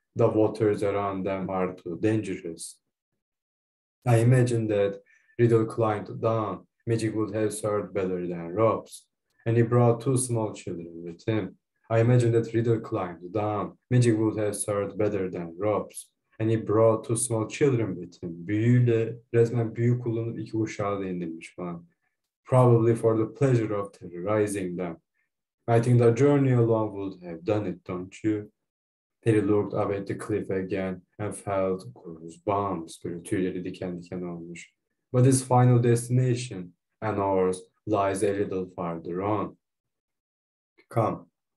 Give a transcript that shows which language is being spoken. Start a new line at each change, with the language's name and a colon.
English: The waters around them are too dangerous. I imagine that Riddle climbed down. Magic would have served better than ropes. And he brought two small children with him. I imagine that Riddle climbed down. Magic would have served better than ropes. And he brought two small children with him.
Turkish: Büyüyle, resmen büyü kullanıp iki uşağı da indirmiş falan.
English: Probably for the pleasure of terrorizing them. I think the journey alone would have done it, don't you? Harry looked up at the cliff again and felt goosebumps.
Turkish: Böyle tüyleri diken diken olmuş.
English: But his final destination and ours lies a little farther on. Come.